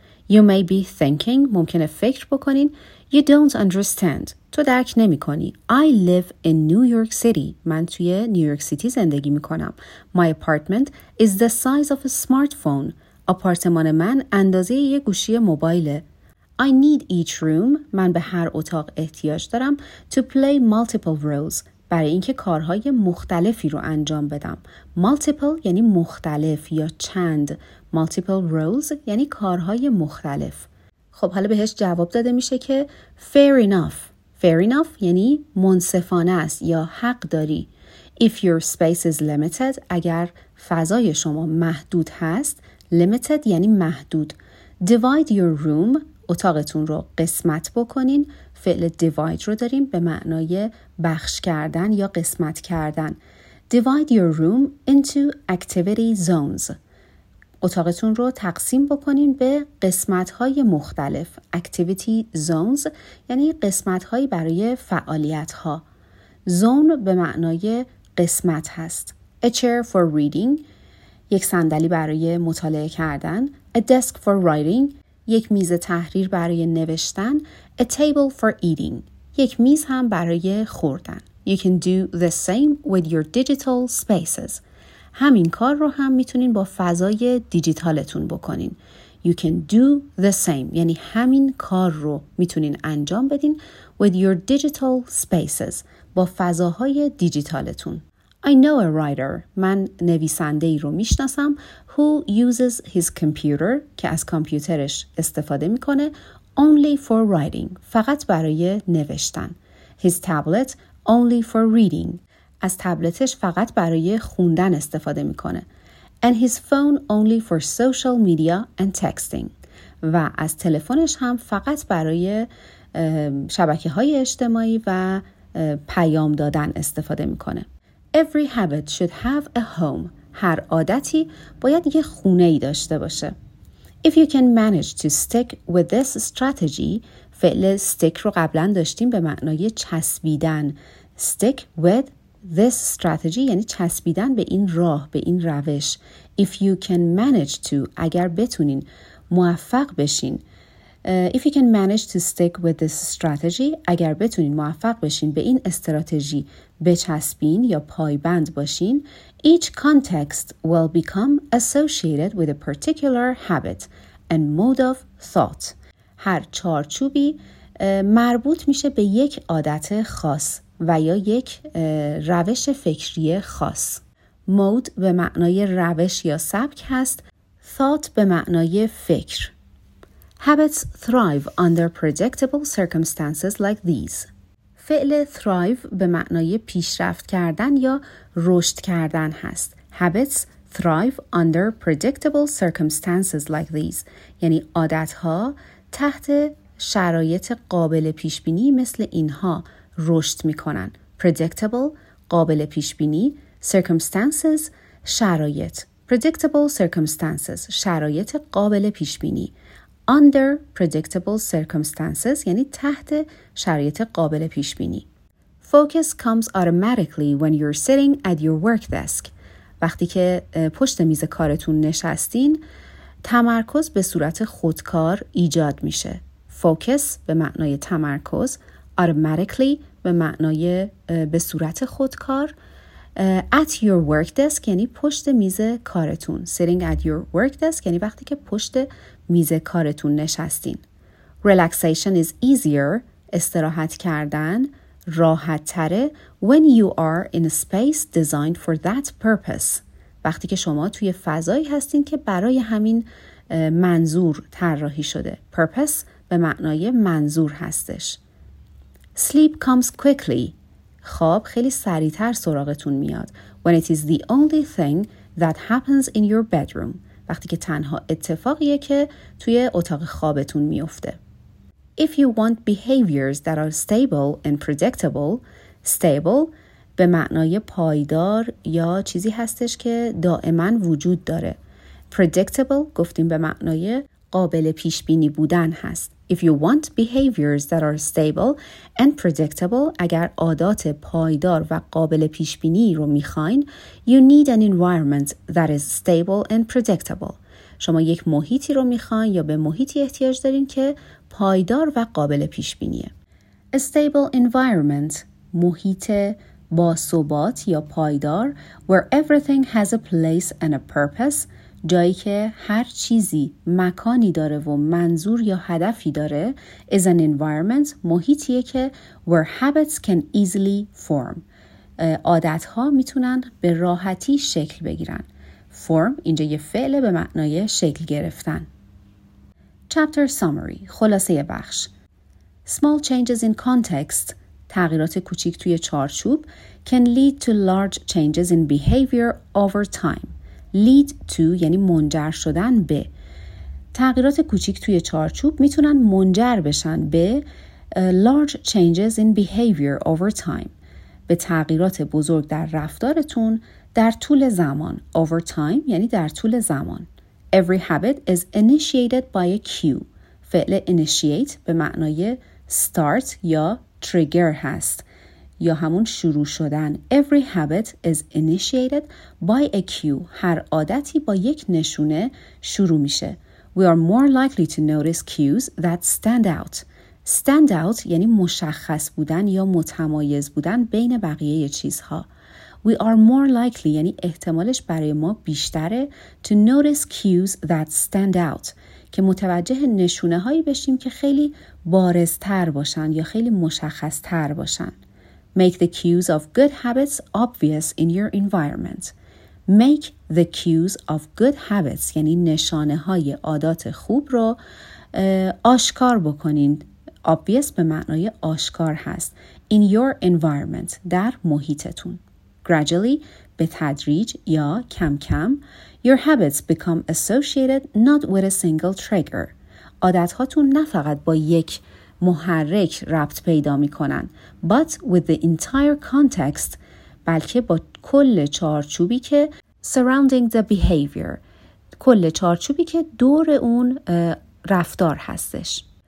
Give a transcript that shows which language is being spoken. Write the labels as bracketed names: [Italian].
[English] You may be thinking، [Persian] ممکنه فکر بکنین. [English] You don't understand، [Persian] تو درک نمی کنی. [English] I live in New York City، [Persian] من توی نیویورک سیتی زندگی میکنم. [English] My apartment is the size of a smartphone، [Persian] آپارتمان من اندازه یه گوشی موبایله. [English] I need each room، [Persian] من به هر اتاق احتیاج دارم، [English] to play multiple roles، [Persian] برای اینکه کارهای مختلفی رو انجام بدم. Multiple یعنی مختلف یا چند. Multiple roles یعنی کارهای مختلف. خب حالا بهش جواب داده میشه که fair enough. Fair enough یعنی منصفانه است یا حق داری. [English] If your space is limited [Persian] اگر فضای شما محدود هست، limited یعنی محدود. [English] Divide your room [Persian] اتاقتون رو قسمت بکنین. فعل divide رو داریم به معنای بخش کردن یا قسمت کردن. [English] Divide your room into activity zones. [Persian] اتاقتون رو تقسیم بکنین به قسمت‌های مختلف. Activity zones یعنی قسمت‌هایی برای فعالیت‌ها. Zone به معنای قسمت هست. [English] A chair for reading، [Persian] یک صندلی برای مطالعه کردن. [English] A desk for writing، [Persian] یک میز تحریر برای نوشتن. [English] A table for eating، [Persian] یک میز هم برای خوردن. [English] You can do the same with your digital spaces. [Persian] همین کار رو هم میتونین با فضای دیجیتالتون بکنین. [English] You can do the same [Persian] یعنی همین کار رو میتونین انجام بدین [English] with your digital spaces [Persian] با فضاهای دیجیتالتون. [English] I know a writer، [Persian] من نویسنده‌ای رو میشناسم. [English] Who uses his computer [Persian] که از کامپیوترش استفاده میکنه. [English] Only for writing، [Persian] فقط برای نوشتن. [English] His tablet only for reading، [Persian] از تبلتش فقط برای خوندن استفاده میکنه. [English] And his phone only for social media and texting، [Persian] و از تلفنش هم فقط برای شبکه های اجتماعی و پیام دادن استفاده میکنه. [English] Every habit should have a home، [Persian] هر عادتی باید یه خونه ای داشته باشه. [English] If you can manage to stick with this strategy، [Persian] فعل stick رو قبلا داشتیم به معنای چسبیدن. [English] Stick with this strategy [Persian] یعنی چسبیدن به این راه، به این روش. [English] If you can manage to، [Persian] اگر بتونین موفق بشین. [English] If you can manage to stick with this strategy، [Persian] اگر بتونین موفق بشین به این استراتژی بچسبین یا پایبند باشین. [English] Each context will become associated with a particular habit and mode of thought، [Persian] هر چارچوبی مربوط میشه به یک عادت خاص و یا یک روش فکری خاص. مود به معنای روش یا سبک هست. ثات به معنای فکر. [English] Habits thrive under predictable circumstances like these. [Persian] فعل thrive به معنای پیشرفت کردن یا رشد کردن هست. [English] Habits thrive under predictable circumstances like these. [Persian] یعنی عادتها تحت شرایط قابل پیشبینی مثل اینها رشد میکنن. Predictable قابل پیشبینی. Circumstances شرایط. Predictable circumstances شرایط قابل پیشبینی. [English] Under predictable circumstances [Persian] یعنی تحت شرایط قابل پیشبینی. [English] Focus comes automatically when you're sitting at your work desk، [Persian] وقتی که پشت میز کارتون نشستین تمرکز به صورت خودکار ایجاد میشه. Focus به معنای تمرکز. Automatically به معنای به صورت خودکار. [English] At your work desk [Persian] یعنی پشت میز کارتون. [English] Sitting at your work desk [Persian] یعنی وقتی که پشت میز کارتون نشستین. [English] Relaxation is easier، [Persian] استراحت کردن راحت تره. [English] When you are in a space designed for that purpose، [Persian] وقتی که شما توی فضایی هستین که برای همین منظور طراحی شده. Purpose به معنای منظور هستش. [English] Sleep comes quickly، [Persian] خواب خیلی سریعتر سراغتون میاد. [English] When it is the only thing that happens in your bedroom، [Persian] وقتی که تنها اتفاقیه که توی اتاق خوابتون میفته. [English] If you want behaviors that are stable and predictable، stable [Persian] به معنای پایدار یا چیزی هستش که دائما وجود داره. Predictable گفتیم به معنای قابل پیش بینی بودن هست. [English] If you want behaviors that are stable and predictable، [Persian] اگر عادات پایدار و قابل پیش بینی رو میخواین، [English] you need an environment that is stable and predictable. [Persian] شما یک محیطی رو میخواین یا به محیطی احتیاج دارین که پایدار و قابل پیش بینیه. [English] A stable environment، [Persian] محیط با ثبات یا پایدار. [English] Where everything has a place and a purpose، [Persian] جایی که هر چیزی مکانی داره و منظور یا هدفی داره. [English] is an environment، محیطیه که where habits can easily form، [Persian] عادتها میتونن به راحتی شکل بگیرن. form اینجا یه فعل به معنای شکل گرفتن. chapter summary خلاصه بخش. [English] Small changes in context, [Persian] تغییرات کوچیک توی چارچوب, [English] can lead to large changes in behavior over time. [Persian] Lead to یعنی منجر شدن به. تغییرات کوچیک توی چارچوب میتونن منجر بشن به [English] large changes in behavior over time. [Persian] به تغییرات بزرگ در رفتارتون در طول زمان. Over time یعنی در طول زمان. [English] Every habit is initiated by a cue. [Persian] فعل initiate به معنای start یا trigger هست. یا همون شروع شدن. [English] Every habit is initiated by a cue. [Persian] هر عادتی با یک نشونه شروع میشه. [English] We are more likely to notice cues that stand out. [Persian] Stand out یعنی مشخص بودن یا متمایز بودن بین بقیه چیزها. [English] We are more likely [Persian] یعنی احتمالش برای ما بیشتره [English] to notice cues that stand out [Persian] که متوجه نشونه هایی بشیم که خیلی بارزتر باشن یا خیلی مشخصتر باشن. [English] Make the cues of good habits obvious in your environment. Make the cues of good habits [Persian] یعنی نشانه های عادات خوب رو آشکار بکنین. Obvious به معنای آشکار هست. [English] In your environment در محیطتون. Gradually [Persian] به تدریج یا کم کم [English] your habits become associated not with a single trigger. [Persian] عادت هاتون نه فقط با یک محرک ربط پیدا می کنن [English] but with the entire context [Persian] بلکه با کل چارچوبی که [English] surrounding the behavior [Persian] کل چارچوبی که دور اون رفتار هستش.